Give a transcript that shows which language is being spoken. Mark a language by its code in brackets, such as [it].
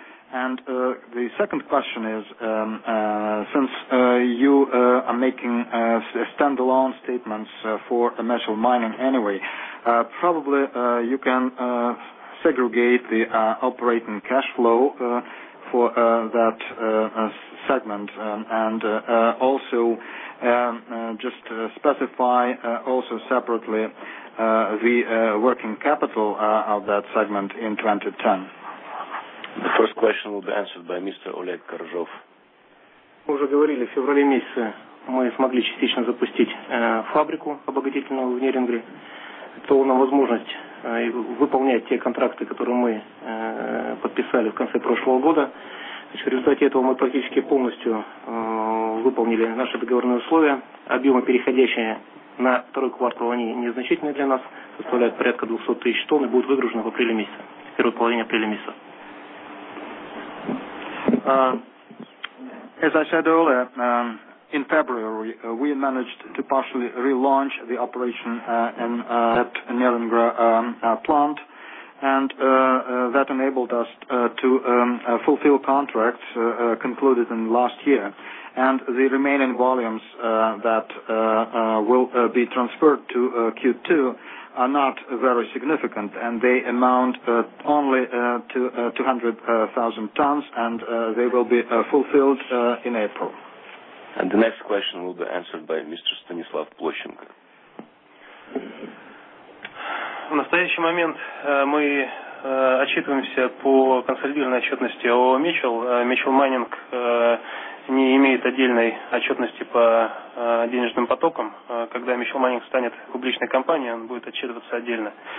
[en] And the second question is, since you are making standalone statements for a metal mining anyway, probably you can segregate the operating cash flow for that segment and also just specify also separately the working capital of that segment in 2010. The first question will be answered by Mr. Oleg Korzhov. [ru] Мы уже говорили, в феврале месяце мы смогли частично запустить фабрику обогатительного в Нерингре. Это дало нам возможность выполнять те контракты, которые мы подписали в конце прошлого года. Значит, в результате этого мы практически полностью выполнили наши договорные условия. Объемы, переходящие на второй квартал, они незначительные для нас, составляют порядка 200 тысяч тонн и будут выгружены в апреле месяце, в первой половине апреля месяца. [en] As I said earlier, in February, we managed to partially relaunch the operation in at Nerengra plant, and that enabled us to fulfill contracts concluded in last year. And the remaining volumes that will be transferred to Q2 are not very significant, and they amount only to 200,000 tons, and they will be fulfilled in April. And the next question will be answered by Mr. Stanislav Plochenko. [ru] В настоящий момент мы отчитываемся по консолидированной отчетности о Mitchell. Mitchell Mining не имеет отдельной отчетности по денежным потокам. Когда Mitchell Mining станет публичной компанией, он будет отчитываться отдельно.